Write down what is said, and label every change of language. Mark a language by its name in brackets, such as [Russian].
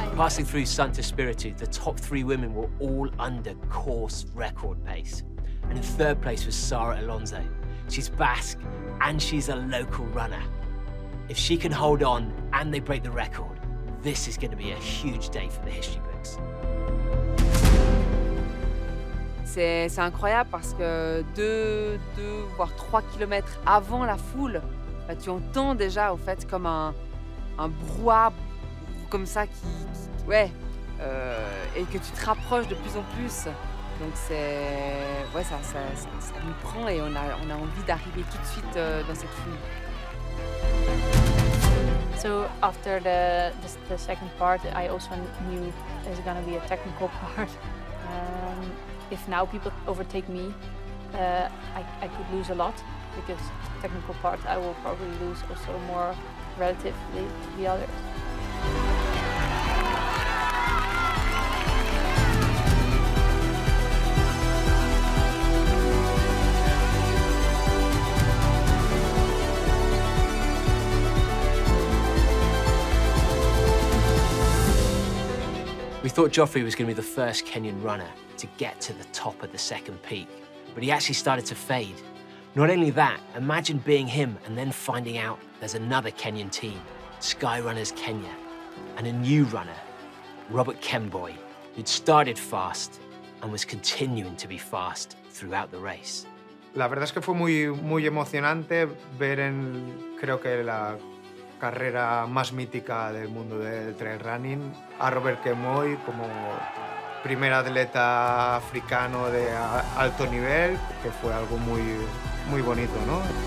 [English] Passing through Sancta Spiritu, the top three women were all under course record pace. And in third place was Sara Alonso. She's Basque and she's a local runner. If she can hold on and they break the record, this is going to be a huge day for the history books. [French] C'est incroyable parce que deux voire trois kilomètres avant la foule, bah, tu entends déjà au fait comme un brouhaha comme ça qui et que tu te rapproches de plus en plus. Donc c'est ouais ça nous prend et on a envie d'arriver tout de suite dans cette foule. [English] So after the second part, I also knew there's gonna be a technical part. If now people overtake me, I could lose a lot because technical part I will probably lose also more relatively to the others. We thought Joffrey was going to be the first Kenyan runner to get to the top of the second peak, but he actually started to fade. Not only that, imagine being him and then finding out there's another Kenyan team, Skyrunners Kenya, and a new runner, Robert Kemboi, who'd started fast and was continuing to be fast throughout the race. [Spanish] La verdad es que fue muy, muy emocionante ver en, creo que la carrera más mítica del mundo del trail running, a Robert Kemboi como primer atleta africano de alto nivel, que fue algo muy, muy bonito, ¿no?